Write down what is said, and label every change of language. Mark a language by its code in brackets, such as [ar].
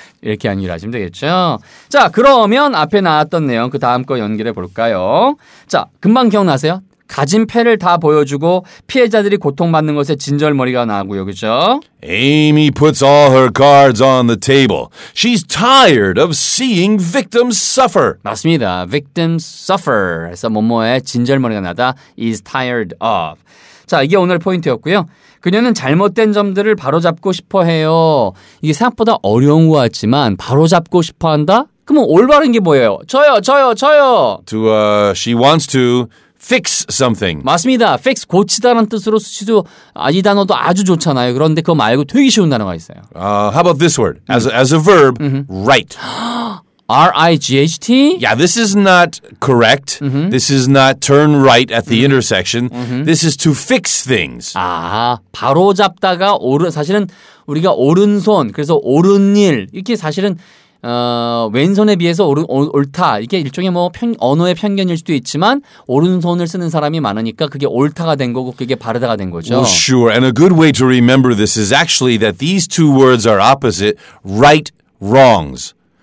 [ko] 이렇게 연결하시면 되겠죠. 자, 그러면 앞에 나왔던 내용 그 다음 거 연결해 볼까요? 자, 금방 기억나세요? 가진 패를 다 보여주고 피해자들이 고통받는 것에 진절머리가 나고요. 그렇죠? [en] Amy puts all her cards on the table. She's tired of seeing victims suffer. [ko] 맞습니다. [en] Victims suffer. [ko] 그래서 뭐뭐에 진절머리가 나다. [en] Is tired of. [ko] 자, 이게 오늘 포인트였고요. 그녀는 잘못된 점들을 바로잡고 싶어 해요. 이게 생각보다 어려운 것 같지만 바로잡고 싶어 한다? 그럼 올바른 게 뭐예요? 저요. [en] To, she wants to fix something. [ko] 맞습니다. fix, 고치다라는 뜻으로 쓰시도 이 단어도 아주 좋잖아요. 그런데 그거 말고 되게 쉬운 단어가 있어요. [en] How about this word? As a verb, write. R-I-G-H-T? Yeah, this is not correct. Mm-hmm. This is not turn right at the intersection. Mm-hmm. This is to fix things. [ko] 아, 바로 잡다가 사실은 우리가 오른손, 그래서 옳은 일, 이렇게 사실은 왼손에 비해서 옳다. 이게 일종의 뭐 언어의 편견일 수도 있지만 오른손을 쓰는 사람이 많으니까 그게 옳다가 된 거고 그게 바르다가 된 거죠. [en] Well, sure. And a good way to remember this is actually that these two words are opposite, right wrongs.